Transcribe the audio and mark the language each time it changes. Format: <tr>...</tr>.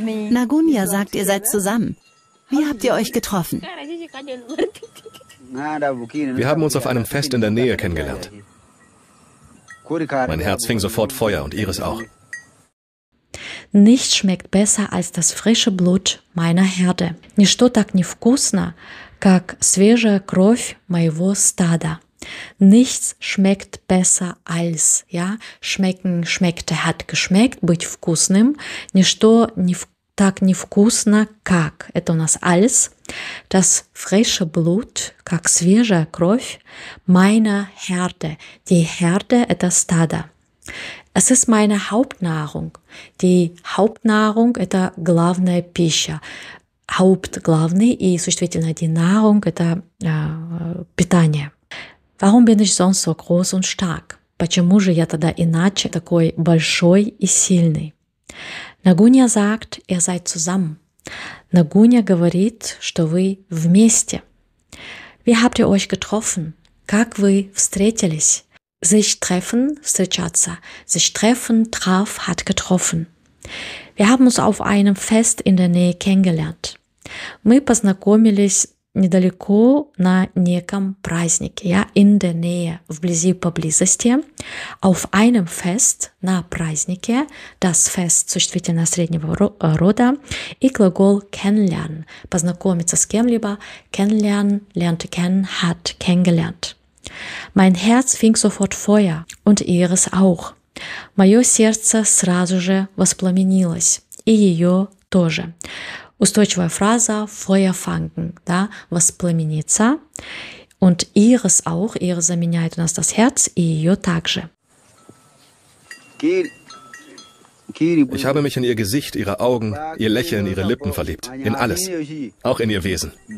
<de>Nagunya sagt, ihr seid zusammen. Wie habt ihr euch getroffen? Wir haben uns auf einem Fest in der Nähe kennengelernt. Mein Herz fing sofort Feuer und ihres auch. Nichts schmeckt besser als das frische Blut meiner Herde.</de> <ru>Ничто так не вкусно, как свежая кровь моего стада.</ru> <de>Nichts schmeckt besser als, ja, schmecken, schmeckte, hat geschmeckt,</de> <ru>быть вкусным, ничто так не вкусно, как, это у нас</ru> <de>als, das frische Blut,</de> <ru>как свежая кровь,</ru> <de>meiner Herde, die Herde,</de> <ru>это стадо.</ru> <de>Es ist meine Hauptnahrung, die Hauptnahrung,</de> <ru>это главная пища,</ru> <de>Haupt,</de> <ru>главный, и, существительно,</ru> <de>die Nahrung,</de> <ru>это питание.</ru> <de>Warum bin ich sonst so groß und stark?</de> <ru>Почему же я тогда иначе такой большой и сильный?</ru> <de>Нагуня sagt, ihr seid zusammen.</de> <ru>Нагуня говорит, что вы вместе.</ru> <de>Wie habt ihr euch getroffen?</de> <ru>Как вы встретились?</ru> <de>Sich treffen,</de> <ru>встречаться.</ru> <de>Sich treffen, traf, hat getroffen. Wir haben uns auf einem Fest in der Nähe kennengelernt.</de> <ru>Мы познакомились недалеко на неком празднике,</ru> <de>ja, in der Nähe,</de> <ru>вблизи, поблизости,</ru> <de>auf einem Fest,</de> <ru>на празднике,</ru> <de>das Fest,</de> <ru>существительное среднего рода, и глагол</ru> <de>kennenlernen,</de> <ru>познакомиться с кем-либо,</ru> <de>kennenlernen, lernte kennen, hat kennengelernt. Mein Herz fing sofort Feuer und ihres auch.</de> <ru>Мое сердце сразу же воспламенилось, и ее тоже. Устойчивая фраза</ru> <de>«Feuer fangen»,</de> <ru>да, «воспламениться».</ru> <de>Und ihres auch, ihre</de> <ru>заменяет у нас</ru> <de>das Herz,</de> <ru>и ее также.</ru> <de>Ich habe mich in ihr Gesicht, ihre Augen, ihr Lächeln, ihre Lippen verliebt. In alles. Auch in ihr Wesen.</de>